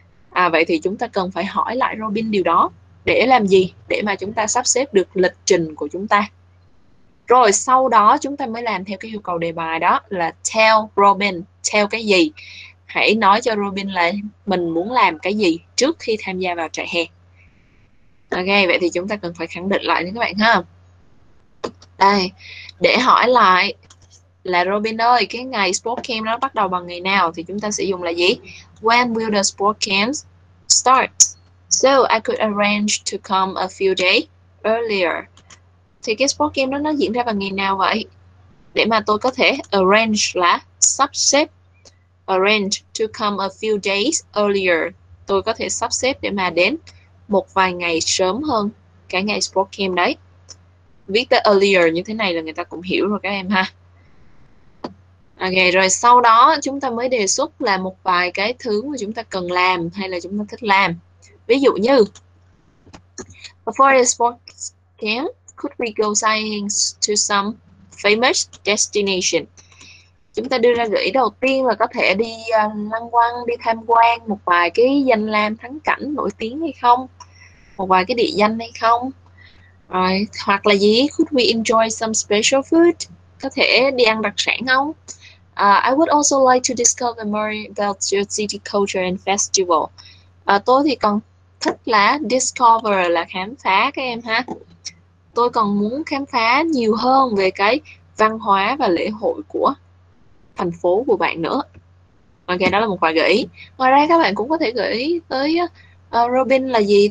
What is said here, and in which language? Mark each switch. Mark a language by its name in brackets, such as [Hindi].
[Vietnamese] À, vậy thì chúng ta cần phải hỏi lại Robin điều đó để làm gì, để mà chúng ta sắp xếp được lịch trình của chúng ta, rồi sau đó chúng ta mới làm theo cái yêu cầu đề bài đó là [English] tell Robin, tell [Vietnamese] cái gì, hãy nói cho Robin là mình muốn làm cái gì trước khi tham gia vào trại hè. Ok, vậy thì chúng ta cần phải khẳng định lại với các bạn ha. Đây, để hỏi lại là Robin ơi, cái ngày sport camp nó bắt đầu bằng ngày nào thì chúng ta sẽ dùng là gì? [English] When will the sport camp start? So I could arrange to come a few days earlier. [Vietnamese] Thì cái sport camp đó nó diễn ra vào ngày nào vậy? Để mà tôi có thể arrange là sắp xếp. [English] Arrange to come a few days earlier. [Vietnamese] Tôi có thể sắp xếp để mà đến một vài ngày sớm hơn cái ngày sport camp đấy. Viết tới earlier như thế này là người ta cũng hiểu rồi các em ha. Ok, rồi sau đó chúng ta mới đề xuất là một vài cái thứ mà chúng ta cần làm hay là chúng ta thích làm. Ví dụ như [English] before the sports camp, could we go sightseeing to some famous destination? [Vietnamese] Chúng ta đưa ra gợi ý đầu tiên là có thể đi lăng quăng, đi tham quan một vài cái danh lam thắng cảnh nổi tiếng hay không? Một vài cái địa danh hay không? Rồi, hoặc là gì? [English] Could we enjoy some special food? [Vietnamese] Có thể đi ăn đặc sản không? [English] I would also like to discover more about your city culture and festival. [Vietnamese] Tôi thì còn thích là discover, là khám phá các em ha. Tôi còn muốn khám phá nhiều hơn về cái văn hóa và lễ hội của thành phố của bạn nữa. Ok, đó là một vài gợi ý. Ngoài ra các bạn cũng có thể gợi ý tới Robin là gì?